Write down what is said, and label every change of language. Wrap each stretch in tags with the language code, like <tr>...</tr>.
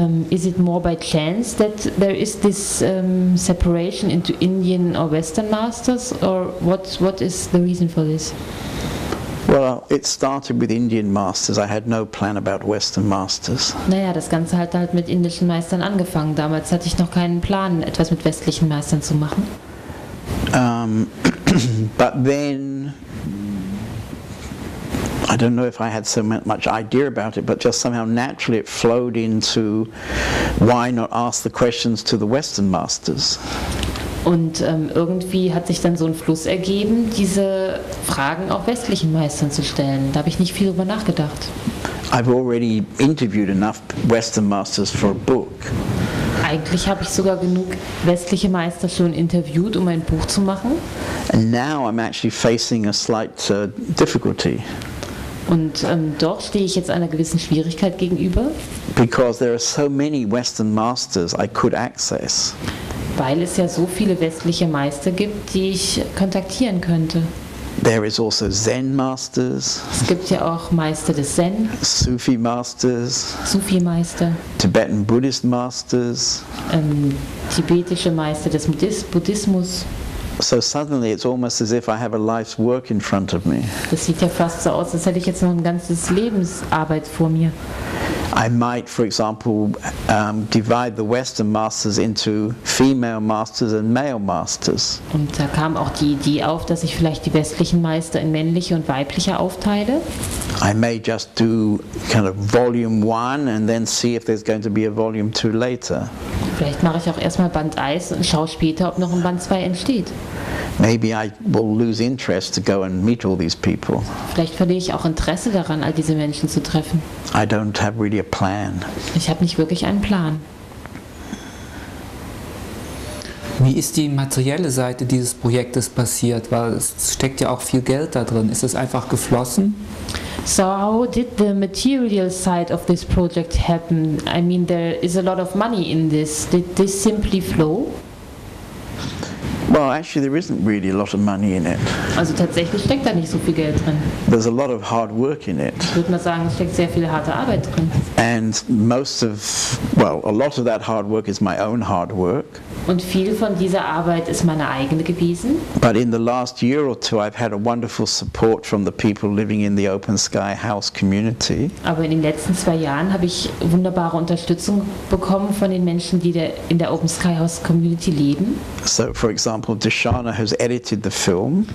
<en>Is it more by chance that there is this separation into Indian or Western masters, or what is the reason for this? Well, it started with Indian masters. I had no plan about Western masters.</en> <de>Naja, das Ganze hat halt mit indischen Meistern angefangen. Damals hatte ich noch keinen Plan, etwas mit westlichen Meistern zu machen.</de> <en>But then, I don't know if I had so much idea about it, but just somehow naturally it flowed into why not ask the questions to the Western masters.</en> <de>Und irgendwie hat sich dann so ein Fluss ergeben, diese Fragen auch westlichen Meistern zu stellen. Da habe ich nicht viel drüber nachgedacht.</de> <en>I've already interviewed enough Western masters for a book.</en> <de>eigentlich habe ich sogar genug westliche Meister schon interviewt, um ein Buch zu machen.</de> <en>And now I'm actually facing a slight difficulty.</en> <de>Und doch stehe ich jetzt einer gewissen Schwierigkeit gegenüber.</de> <en>Because there are so many Western masters I could access.</en> <de>Weil es ja so viele westliche Meister gibt, die ich kontaktieren könnte.</de> <en>There is also Zen masters.</en> <de>Es gibt ja auch Meister des Zen.</de> <en>Sufi masters.</en> <de>Sufi Meister.</de> <en>Tibetan Buddhist masters.</en> <de>Tibetische Meister des Buddhismus.</de> <en>So suddenly it's almost as if I have a life's work in front of me.</en> <de>Das sieht ja fast so aus, als hätte ich jetzt noch ein ganzes Lebensarbeit vor mir.</de> <en>I might, for example, divide the Western masters into female masters and male masters.</en> <de>Und da kam auch die Idee auf, dass ich vielleicht die westlichen Meister in männliche und weibliche aufteile.</de> <en>I may just do kind of volume one and then see if there's going to be a volume two later.</en> <de>Vielleicht mache ich auch erstmal Band 1 und schaue später, ob noch ein Band 2 entsteht.</de> <en>Maybe I will lose interest to go and meet all these people.</en> <de>Vielleicht verliere ich auch Interesse daran, all diese Menschen zu treffen.</de> <en>I don't have really a plan.</en> <de>Ich habe nicht wirklich einen Plan. Wie ist die materielle Seite dieses Projektes passiert? Weil es steckt ja auch viel Geld da drin. Ist es einfach geflossen?</de> <en>So how did the material side of this project happen? I mean, there is a lot of money in this. Did this simply flow? Well, actually, there isn't really a lot of money in it.</en> <de>Also tatsächlich steckt da nicht so viel Geld drin.</de> <en>There's a lot of hard work in it.</en> <de>Ich würde mal sagen, es steckt sehr viel harte Arbeit drin.</de> <en>And most of, well, a lot of that hard work is my own hard work.</en> <de>Und viel von dieser Arbeit ist meine eigene gewesen.</de> <en>But in the last year or two, I've had a wonderful support from the people living in the open sky house community.</en> <de>Aber in den letzten zwei Jahren habe ich wunderbare Unterstützung bekommen von den Menschen, die in der open sky house community leben.</de> <en>So, for example, Dashana has edited the film.</en>